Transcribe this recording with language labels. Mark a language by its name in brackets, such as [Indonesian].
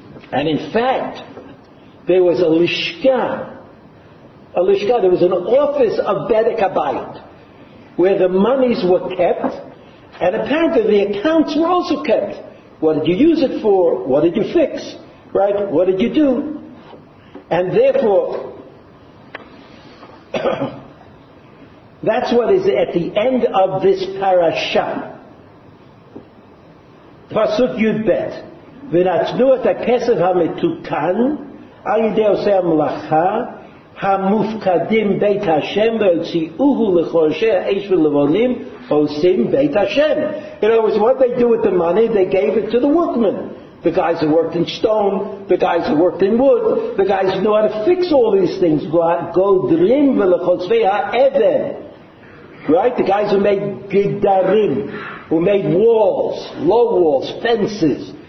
[English] And in fact, there was a lishka, there was an office of Bedek Abayit, where the monies were kept, and apparently the accounts were also kept. What did you use it for? What did you fix? Right? What did you do? And therefore, that's what is at the end of this parasha. [Hebrew] Pasuk Yud Bet. ונתנו את הכסף המתוקן על ידי עושי המלאכה המופקדים בית השם והוציאוהו לחורשי האש ולבונים עושים בית השם. [English] In other words, what they do with the money, they gave it to the workmen. The guys who worked in stone, the guys who worked in wood, the guys who know how to fix all these things. [Hebrew] גודרים ולחוצבי האבן. Right? [English] The guys who made גדרים, who made walls, low walls, fences.